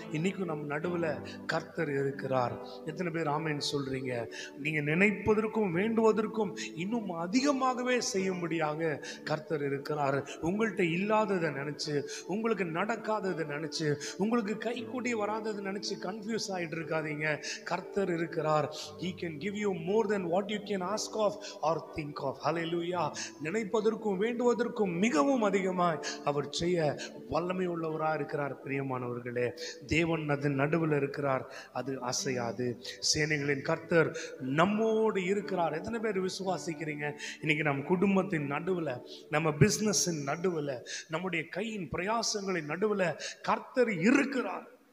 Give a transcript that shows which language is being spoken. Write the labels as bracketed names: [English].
[Tamil] இன்னைக்கு நம் நடுவில் கர்த்தர் இருக்கிறார். எத்தனை பேர் ஆமென் சொல்றீங்க? நீங்க நினைப்பதற்கும் வேண்டுவதற்கும் இன்னும் அதிகமாகவே செய்யும்படியாக கர்த்தர் இருக்கிறார். உங்கள்கிட்ட இல்லாததை நினைச்சு, உங்களுக்கு நடக்காததை நினைச்சு, உங்களுக்கு கை கூட்டி வராதது நினைச்சு கன்ஃபியூஸ் ஆகிட்டு இருக்காதீங்க. கர்த்தர் இருக்கிறார். [English] He can give you more than what you can ask of or think of. Hallelujah. [Tamil] நினைப்பதற்கும் வேண்டுவதற்கும் மிகவும் அதிகமாய் அவர் செய்ய வல்லமை உள்ளவராக இருக்கிறார். பிரியமானவர்களே, தேவன் அதன் நடுவில் இருக்கிறார், அது அசையாது. சேனைகளின் கர்த்தர் நம்மோடு இருக்கிறார். எத்தனை பேர் விசுவாசிக்கிறீங்க? இன்னைக்கு நம் குடும்பத்தின் நடுவில், நம்ம பிசினஸின் நடுவில், நம்முடைய கையின் பிரயாசங்களின் நடுவில் கர்த்தர் இருக்கிறார்.